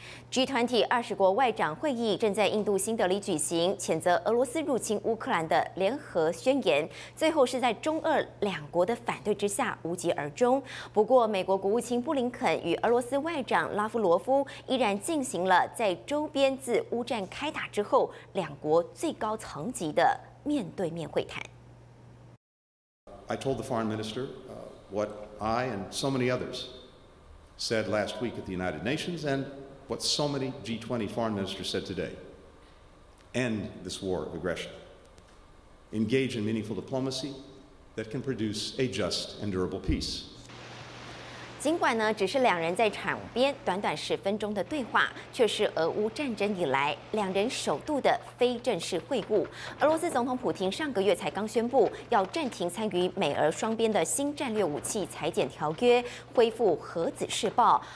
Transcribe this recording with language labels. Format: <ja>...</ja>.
<zh>G20 20国外长会议正在印度新德里举行，谴责俄罗斯入侵乌克兰的联合宣言，最后是在中俄两国的反对之下无疾而终。不过，美国国务卿布林肯与俄罗斯外长拉夫罗夫依然进行了在周边自乌战开打之后两国最高层级的面对面会谈。</zh> <en>I told the foreign minister what I and so many others said last week at the United Nations and. What so many G20 foreign ministers said today, end this war of aggression. Engage in meaningful diplomacy that can produce a just and durable peace.</en> <zh>尽管呢，只是两人在场边短短10分钟的对话，却是俄乌战争以来两人首度的非正式会晤。俄罗斯总统普京上个月才刚宣布要暂停参与美俄双边的新战略武器裁减条约，恢复核子试爆。</zh>